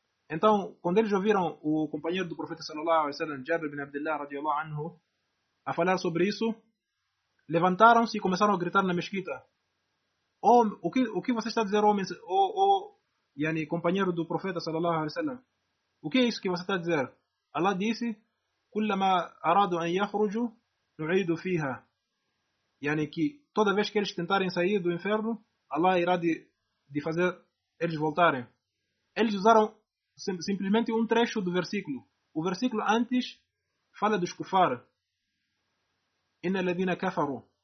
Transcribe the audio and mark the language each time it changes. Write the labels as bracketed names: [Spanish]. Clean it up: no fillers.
[Portuguese] Então, quando eles ouviram o companheiro do profeta, sallallahu alaihi wasallam, Jabir bin Abdullah, radiallahu anhu, a falar sobre isso, levantaram-se e começaram a gritar na mesquita. O que você está a dizer, homem? Yani, companheiro do profeta, sallallahu alaihi wasallam? O que é isso que você está a dizer? [Arabic] Allah disse: كلما أرادوا أن يخرجوا نعيدوا فيها. [Portuguese] Yani, que toda vez que eles tentarem sair do inferno, Allah irá de fazer eles voltarem. Eles usaram simplesmente um trecho do versículo. O versículo antes fala dos kufar. [Arabic] إن الذين كفروا.